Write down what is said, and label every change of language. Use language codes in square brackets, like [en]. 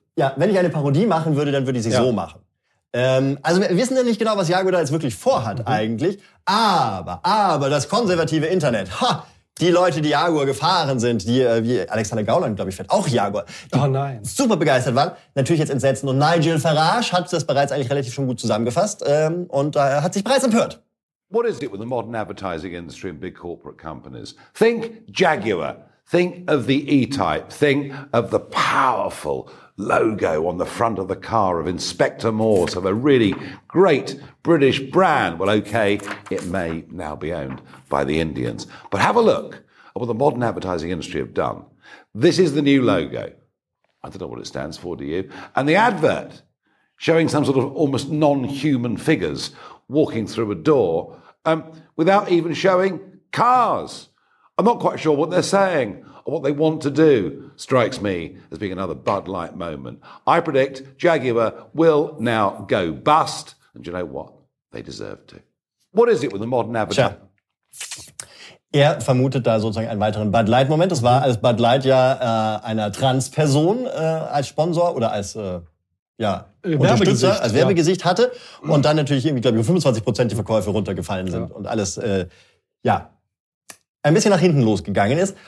[de] Ja, wenn ich eine Parodie machen würde, dann würde ich sie so machen. Also wir wissen ja nicht genau, was Jaguar da jetzt wirklich vorhat eigentlich. Aber das konservative Internet. Ha, die Leute, die Jaguar gefahren sind, die wie Alexander Gauland, glaube ich, fährt auch Jaguar. Oh nein. Super begeistert waren. Natürlich jetzt entsetzen. Und Nigel Farage hat das bereits eigentlich relativ schon gut zusammengefasst. Und er hat sich bereits empört. [en] What is it with the modern advertising industry and big corporate companies? Think Jaguar. Think of the E-Type. Think of the powerful logo on the front of the car of Inspector Morse, of a really great British brand. Well, okay, it may now be owned by the Indians. But have a look at what the modern advertising industry have done. This is the new logo. I don't know what it stands for, do you? And the advert showing some sort of almost non-human figures walking through a door without even showing cars. I'm not quite sure what they're saying or what they want to do, strikes me as being another Bud Light moment. I predict Jaguar will now go bust. And you know what? They deserve to. What is it with the modern advertising? [de] Er vermutet da sozusagen einen weiteren Bud Light Moment. Es war, als Bud Light ja einer Transperson als Sponsor oder als Unterstützer, als Werbegesicht hatte. Und dann natürlich irgendwie, glaube ich, 25% die Verkäufe runtergefallen sind und alles, ein bisschen nach hinten losgegangen ist.